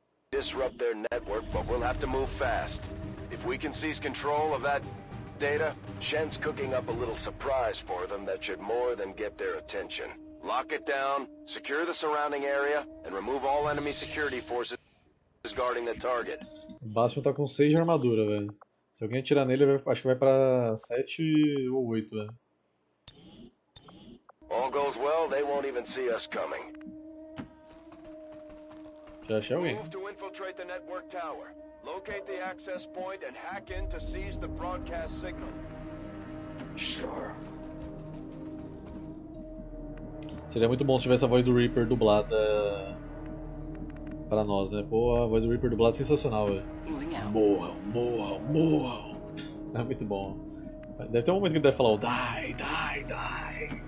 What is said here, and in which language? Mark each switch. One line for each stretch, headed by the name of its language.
English: Disrupt their network, but we'll have to move fast. If we can seize control of that data, Shen's cooking up a little surprise for them that should more than get their attention. Lock it down, secure the surrounding area, and remove all enemy security forces guarding the target.
Portuguese: O Bastion tá com 6 de armadura, velho. Se alguém atirar nele, acho que vai pra 7 ou 8, velho.
English: All goes well, they won't even see us coming.
Portuguese: Já achei alguém.
English: Move to infiltrate the network tower. Locate the access point and hack in to seize the broadcast signal. Sure.
Portuguese: Seria muito bom se tivesse a voz do Reaper dublada pra nós, né? Pô, a voz do Reaper dublada sensacional, velho. Moa, moa, moa. É muito bom. Deve ter um momento que ele deve falar o
English: die, die, die.